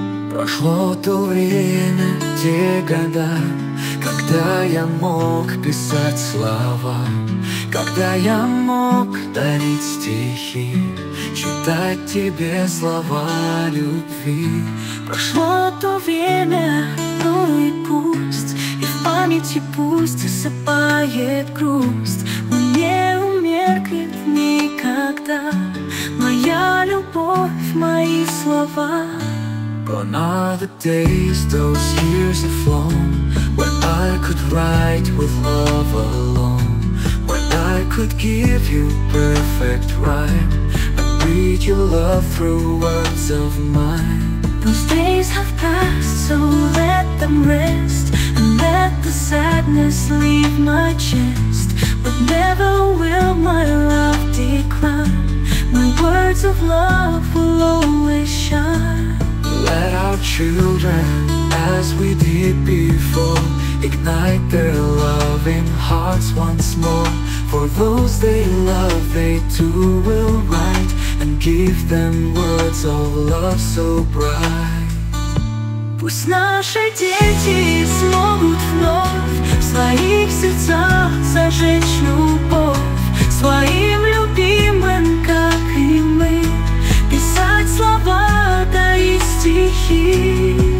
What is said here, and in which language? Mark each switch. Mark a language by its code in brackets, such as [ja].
[ru] Прошло то время, те года, когда я мог писать слова, когда я мог дарить стихи, читать тебе слова любви. Прошло то время, ну и пусть, и в памяти пусть засыпает грусть. Не умеркнет никогда моя любовь, мои слова. [en] Gone are the days, those years have flown, where I could write with love alone, where I could give you perfect rhyme and read your love through words of mine. Those days have passed, so let them rest and let the sadness leave my chest. But never will my love decline, my words of love will always shine. Let our children, as we did before, ignite their loving hearts once more. For those they love, they too will write and give them words of love so bright. [ru] Пусть наши дети смогут вновь в своих сердцах зажечь любовь своим любимым, как и мы, писать слова, дарить стихи.